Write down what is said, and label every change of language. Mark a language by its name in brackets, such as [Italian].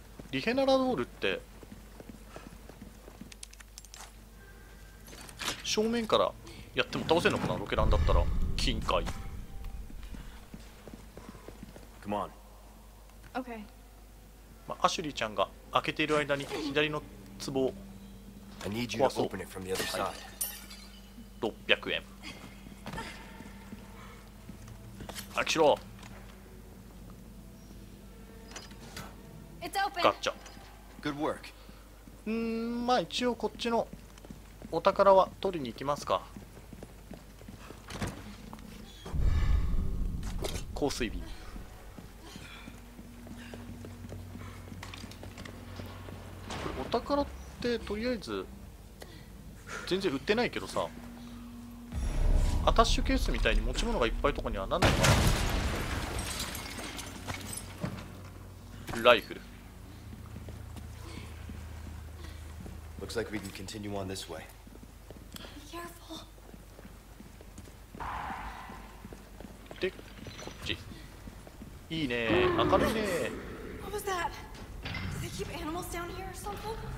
[Japanese] リヘナラドールって正面からやっても倒せんのかな。ロケランだったら金塊。 [English] Come on. Okay. [Japanese] まあアシュリーちゃんが開けている間に左の壺を壊そう。 [English] I need you to open it from the other side. [Japanese] 600円。開けろ。 [English] It's open. [Japanese] ガッチャ。 [English] Good work. [Japanese] まあ一応こっちのお宝は取りに行きますか。香水瓶。これお宝ってとりあえず全然売ってないけどさ、アタッシュケースみたいに持ち物がいっぱいとかにはなんないかな。ライフル。 [English] Looks like we can continue on this way. Be careful. [Japanese] で、こっち。いいね、明るいね。 [English] What was that? Do they keep animals down here or something?